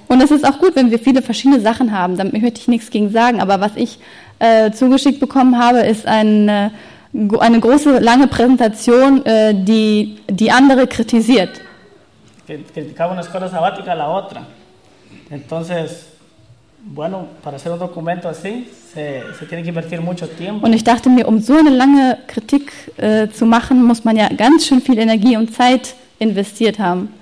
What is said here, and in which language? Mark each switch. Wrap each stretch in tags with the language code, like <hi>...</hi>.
<de>Und es ist auch gut, wenn wir viele verschiedene Sachen haben, damit möchte ich nichts gegen sagen, aber was ich zugeschickt bekommen habe, ist eine große, lange Präsentation, die andere kritisiert.</de> <es>Criticaba una escuela sabática a la otra. Entonces, bueno, para hacer un documento así, se tiene que invertir mucho tiempo.</es> <de>Und ich dachte mir, um so eine lange Kritik zu machen, muss man ja ganz schön viel Energie und Zeit investiert haben.</de>